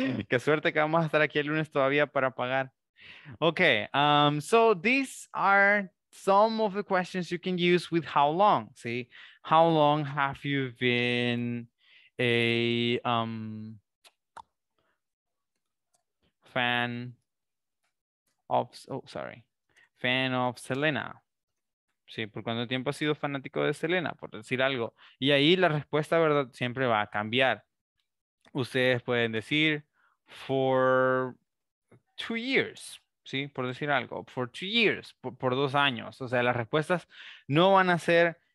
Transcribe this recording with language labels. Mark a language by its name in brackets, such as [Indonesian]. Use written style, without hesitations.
[Spanish] Qué suerte que vamos a estar aquí el lunes todavía para pagar. [English] Ok, so these are some of the questions you can use with how long, ¿sí? How long have you been a fan of Selena? [Spanish] Sí, ¿por cuánto tiempo has sido fanático de Selena? Por decir algo. Y ahí la respuesta, ¿verdad? Siempre va a cambiar. Ustedes pueden decir [English] for 2 years. [Spanish] Sí, por decir algo. [English] For 2 years. [Spanish] Por 2 años. O sea, las respuestas no van a ser